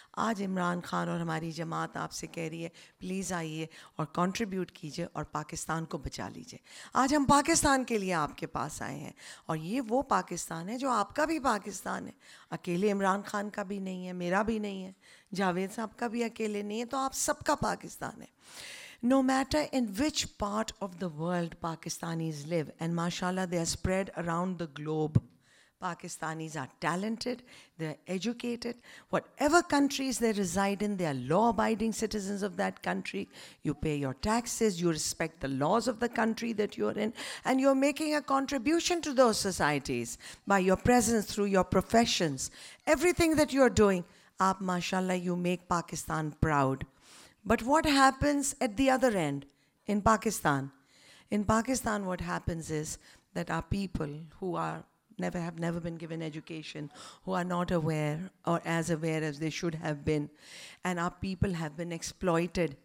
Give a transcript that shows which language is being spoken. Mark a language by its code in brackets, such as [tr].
[ur] آج عمران خان اور ہماری جماعت آپ سے کہہ رہی ہے پلیز آئیے اور کنٹریبیوٹ کیجئے اور پاکستان کو بچا لیجئے. آج ہم پاکستان کے لیے آپ کے پاس آئے ہیں, اور یہ وہ پاکستان ہے جو آپ کا بھی پاکستان ہے. اکیلے عمران خان کا بھی نہیں ہے, میرا بھی نہیں ہے, جاوید صاحب کا بھی اکیلے نہیں ہے, تو آپ سب کا پاکستان ہے. [en] No matter in which part of the world Pakistanis live, and ماشاء اللہ they are spread around the globe, Pakistanis are talented, they are educated, whatever countries they reside in, they are law abiding citizens of that country. You pay your taxes, you respect the laws of the country that you are in, and you are making a contribution to those societies by your presence through your professions, everything that you are doing. آپ ماشاء اللہ you make Pakistan proud. But what happens at the other end in Pakistan? In Pakistan, what happens is that our people who have never been given education, who are not aware or as aware as they should have been, and our people have been exploited.